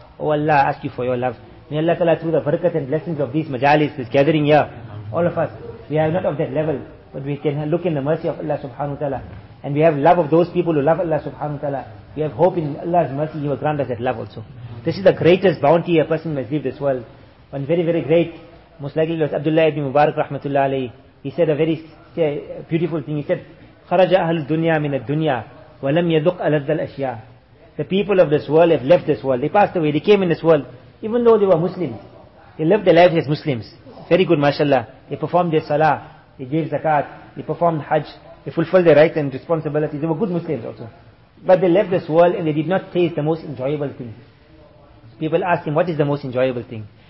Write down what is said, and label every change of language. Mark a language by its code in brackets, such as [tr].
[en] Oh Allah, I ask you for your love. May Allah ta'ala through the barakat and blessings of these majalis, this gathering here, all of us, we are not of that level, but we can look in the mercy of Allah subhanahu wa ta'ala. And we have love of those people who love Allah subhanahu wa ta'ala. We have hope in Allah's mercy, He will grant us that love also. This is the greatest bounty a person must leave this world. One very, very great, most likely was Abdullah ibn Mubarak rahmatullah alayhi. He said a very beautiful thing. He said, [ar] خَرَجَ أَهْلُ الدُّنْيَا مِنَ الدُّنْيَا وَلَمْ يَذُقْ أَلَذَّ الْأَشْيَا. [en] The people of this world have left this world. They passed away. They came in this world. Even though they were Muslims, they lived their lives as Muslims. Very good, mashallah. They performed their salah. They gave zakat. They performed hajj. They fulfilled their rights and responsibilities. They were good Muslims also. But they left this world and they did not taste the most enjoyable thing. People ask him, what is the most enjoyable thing?